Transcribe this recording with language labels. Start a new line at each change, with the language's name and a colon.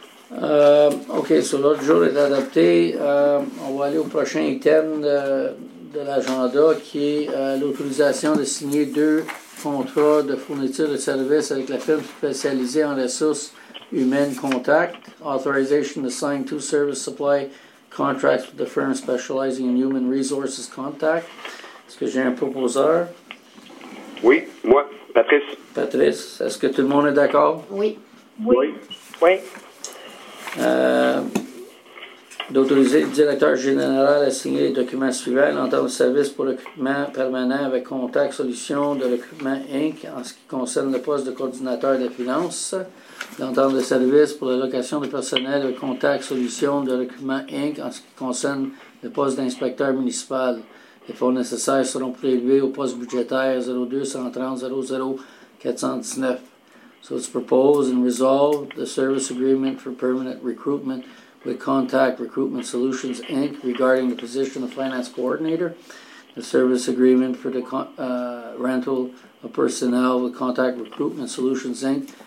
French: OK, so l'autre jour est adopté. On va aller au prochain item de l'agenda qui est l'autorisation de signer deux contrats de fourniture de services avec la firme spécialisée en ressources humaines Contact.
English: Authorization to sign two service supply contracts with the firm specializing in human resources Contact.
French: Est-ce que j'ai un proposeur? Oui, moi, Patrice. Patrice, est-ce que tout le monde est d'accord? Oui. Oui. Oui. D'autoriser le directeur général à signer les documents suivants en termes de service pour recrutement permanent avec Contact Solutions de Recrutement Inc. en ce qui concerne le poste de coordinateur des finances, en termes de service pour la location de personnel avec Contact Solutions de Recrutement Inc. en ce qui concerne le poste d'inspecteur municipal. Les fonds nécessaires seront prélevés au poste budgétaire 02-130-00-419.
English: So it's proposed and resolved the service agreement for permanent recruitment with Contact Recruitment Solutions, Inc. regarding the position of finance coordinator, the service agreement for the rental of personnel with Contact Recruitment Solutions, Inc.